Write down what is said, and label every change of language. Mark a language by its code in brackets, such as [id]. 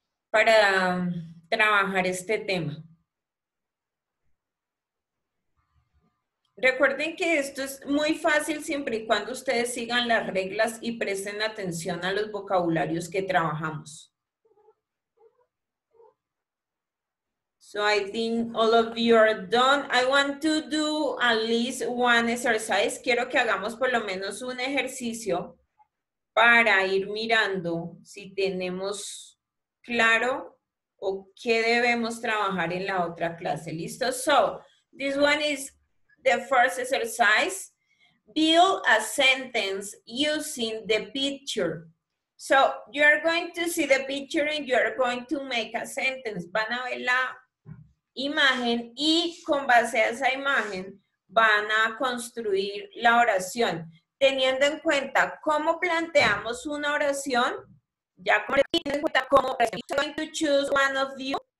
[es] Para trabajar este tema. Recuerden que esto es muy fácil siempre y cuando ustedes sigan las reglas y presten atención a los vocabularios que trabajamos. [en] So I think all of you are done. I want to do at least one exercise. [es] Quiero que hagamos por lo menos un ejercicio para ir mirando si tenemos claro, o qué debemos trabajar en la otra clase, ¿listo? [en] So, this one is the first exercise. Build a sentence using the picture. So, you are going to see the picture and you are going to make a sentence. [es] Van a ver la imagen y con base a esa imagen van a construir la oración. Teniendo en cuenta cómo planteamos una oración, ya tienen en cuenta cómo [en] I'm going to choose one of you.